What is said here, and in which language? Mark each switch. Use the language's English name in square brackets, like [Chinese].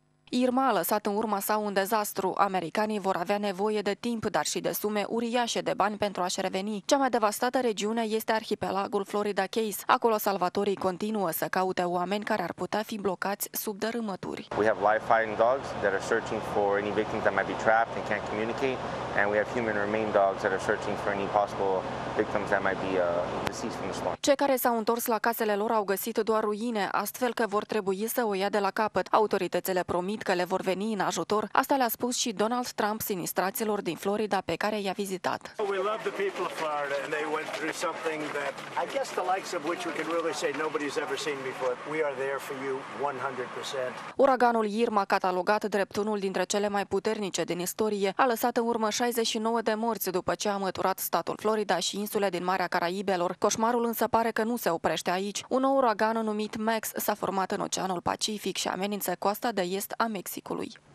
[Romanian] Irma a lăsat în urma sa un dezastru. Americanii vor avea nevoie de timp, dar și de sume uriașe de bani pentru a-și reveni. Cea mai devastată regiune este arhipelagul Florida Keys. Acolo salvatorii continuă să caute oameni care ar putea fi blocați sub dărâmături. [English] We have live fighting dogs that are searching for any victims that might be trapped and can't communicate, and we have human remain dogs that are searching for any possible victims that might be deceased from the storm. [Romanian] Cei care s-au întors la casele lor au găsit doar ruine, astfel că vor trebui să o ia de la capăt. Autoritățile promit că le vor veni în ajutor. Asta le-a spus și Donald Trump sinistraților din Florida pe care i-a vizitat. [English] We love the people of Florida and they went through something that I guess the likes of which we can really say nobody's ever seen before. We are there for you 100%. [Romanian] Uraganul Irma, catalogat drept unul dintre cele mai puternice din istorie, a lăsat în urmă 69 de morți după ce a măturat statul Florida și insule din Marea Caraibelor. Coșmarul însă pare că nu se oprește aici. Un nou uragan numit Max s-a format în Oceanul Pacific și amenință coasta de est a Mexicului.